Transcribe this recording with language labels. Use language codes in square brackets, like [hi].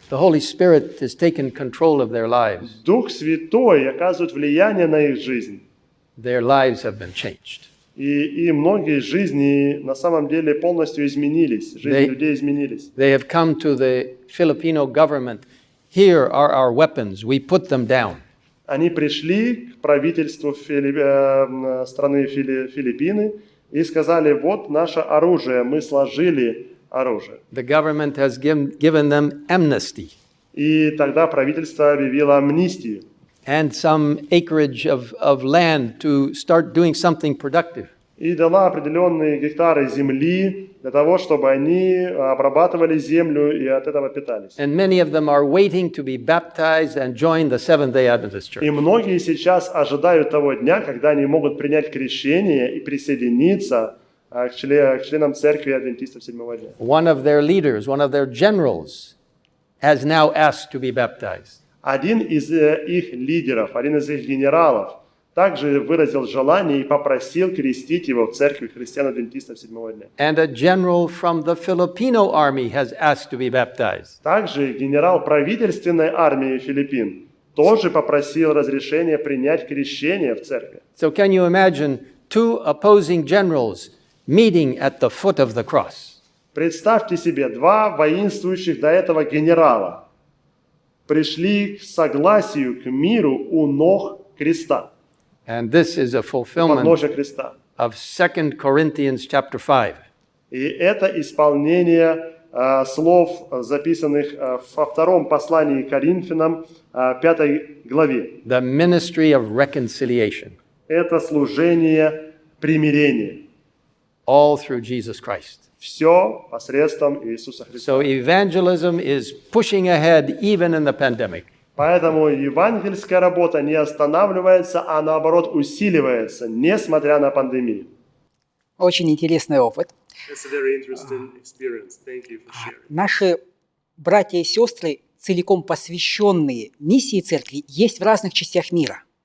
[en] The Holy Spirit has taken control of their lives. [ru] Дух Святой оказывает влияние на их жизнь. [en] Their lives have been changed. [ru] И многие жизни на самом деле полностью изменились. Жизни людей изменились. [en] They have come to the Filipino government. Here are our weapons. We put them down. [ru] Они пришли к правительству страны Филиппины и сказали: вот наше оружие, мы сложили оружие. [en] The government has given them amnesty. [ru] И тогда правительство объявило амнистию. [en] And some acreage of land to start doing something productive. [ru] И дала определенные гектары земли для того, чтобы они обрабатывали землю и от этого питались. [en] And many of them are waiting to be baptized and join the Seventh-day Adventist Church. [ru] И многие сейчас ожидают того дня, когда они могут принять крещение и присоединиться к членам церкви адвентистов седьмого дня. [en] One of their leaders, one of their generals, has now asked to be baptized. [ru] Один из их лидеров, один из их генералов, также выразил желание и попросил крестить его в церкви христиан-адвентистов седьмого дня. [en] And a general from the Filipino army has asked to be baptized. [ru] Также генерал правительственной армии Филиппин тоже попросил разрешения принять крещение в церкви. [en] So can you imagine two opposing generals meeting at the foot of the cross? [ru] Представьте себе два воинствующих до этого генерала. Пришли к согласию, к миру у ног креста. [en] And this is a fulfillment of 2 Corinthians chapter 5. [ru] И это исполнение слов, записанных во втором послании Коринфянам, 5 главе. [en] The ministry of reconciliation. [ru] Это служение примирения. [en] All through Jesus Christ. [ru] Все посредством Иисуса Христа. [en] So evangelism is pushing ahead even in the pandemic. [ru] Поэтому евангельская работа не останавливается, а наоборот усиливается, несмотря на пандемию. Очень интересный опыт. [en] It's a very interesting experience. Thank you for sharing. [ru] Наши братья и сестры, целиком посвященные миссии церкви, есть в разных частях мира.